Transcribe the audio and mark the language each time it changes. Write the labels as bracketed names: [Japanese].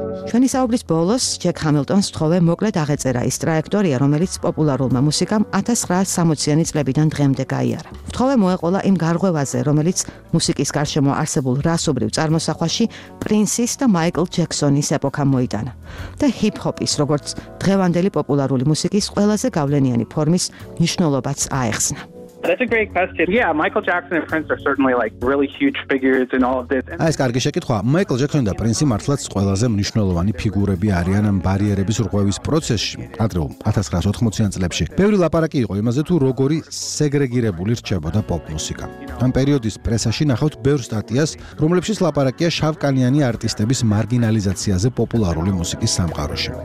[Georgian] ჩვენი საუბრის ბოლოს ჯეკ ჰამილტონს თხოვე მოკლედ აღეწერა ის ტრაექტორია, რომელიც პოპულარულმა მუსიკამ 1960-იანი წლებიდან დღემდე გაიარა. თხოვე მოეყოლა იმ გარღვევაზე, რომელიც მუსიკის გარშემო არსებულ რასობრივ წარმოსახვაში პრინსის და მაიკლ ჯექსონის ეპოქამ მოიტანა და ჰიპ-ჰოპის, როგორც დღევანდელი პოპულარული მუსიკის ყველაზე გავლენიანი ფორმის მნიშვნელობაც აეხსნა. [English] That's a great question. Yeah, Michael Jackson and Prince are certainly like really huge figures in all of this. [Georgian] აი, კარგი შეკითხვა. Michael Jackson და Prince მართლაც ყველაზე მნიშვნელოვანი ფიგურები არიან ამ ბარიერების რღვევის პროცესში. ადრე 1980-იან წლებში ბევრი ლაპარაკი იყო იმაზე, თუ როგორი სეგრეგირებული რჩებოდა პოპ მუსიკა. ამ პერიოდის პრესაში ნახავთ ბევრ სტატიას, რომლებშიც ლაპარაკია შავკანიანი არტისტების მარგინალიზაციაზე პოპულარული მუსიკის სამყაროში.